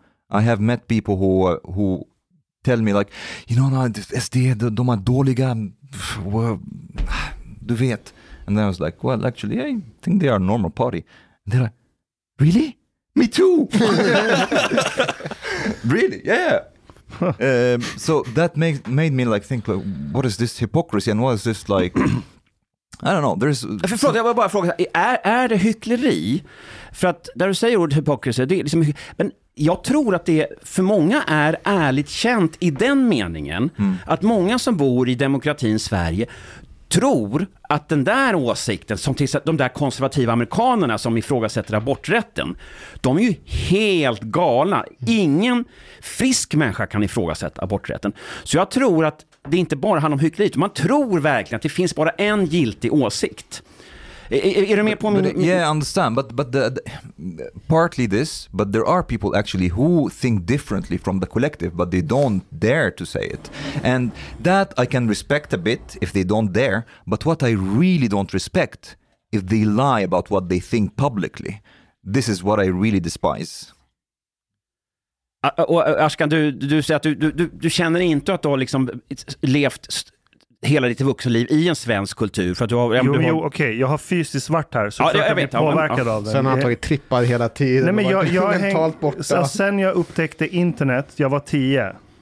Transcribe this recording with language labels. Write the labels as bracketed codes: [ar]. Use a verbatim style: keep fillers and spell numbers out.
[en] I have met people who uh, who tell me like, you know, no, S D, [sv] de, de är dåliga, du vet. [en] And then I was like, well, actually, I think they are a normal party. They're like, really? Me too! Really? Yeah. um, so that made, made me like think, like, what is this hypocrisy and what is this like... I don't know, there's... [sv] Förlåt, jag var bara fråga, är, är det hyckleri? För att där du säger ordet hypocrisy, det är liksom... Men jag tror att det för många är ärligt känt i den meningen mm. att många som bor i demokratin Sverige... tror att den där åsikten som till de där konservativa amerikanerna som ifrågasätter aborträtten, de är ju helt galna. Ingen frisk människa kan ifrågasätta aborträtten. Så jag tror att det inte bara handlar om hyckleri, man tror verkligen att det finns bara en giltig åsikt. Är, är du med på [en] but, [sv] min... [en] But, yeah, I understand. But, but the, the, partly this, but there are people actually who think differently from the collective, but they don't dare to say it. And that I can respect a bit if they don't dare, but what I really don't respect is they lie about what they think publicly. This is what I really despise. [sv] Och Ashkan, du, du säger att du, du, du känner inte att du har liksom levt... St- hela ditt vuxenliv i en svensk kultur för att du har, jo, du har... jo okej, okay. jag har fysiskt varit här så ja, jag, jag vet, bli påverkad ja, men, ja. av det. Sen har han tagit trippar hela tiden. Nej, men jag, jag häng... borta. Sen jag upptäckte internet, jag var tio